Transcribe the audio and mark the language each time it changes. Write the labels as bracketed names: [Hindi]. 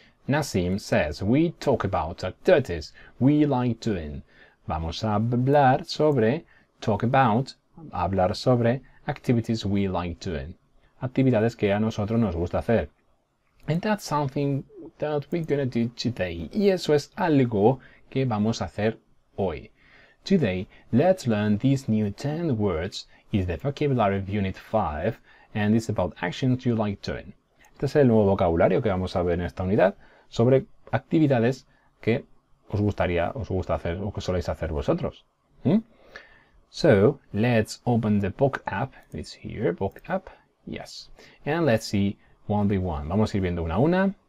[English] Nassim says, we talk about activities we like doing. [Spanish] Vamos a hablar sobre, [English] talk about, [Spanish] hablar sobre [English] activities we like doing. [Spanish] Actividades que a nosotros nos gusta hacer. [English] And that's something that we're gonna do today. [Spanish] Y eso es algo que vamos a hacer hoy. [English] Today, let's learn these new 10 words is the vocabulary of Unit 5 and it's about actions you like doing. [Spanish] Este es el nuevo vocabulario que vamos a ver en esta unidad. Sobre actividades que os gustaría, os gusta hacer o que soléis hacer vosotros. [English] So, let's open the book app. It's here, book app. Yes. And let's see one by one. [Spanish] Vamos a ir viendo una a una.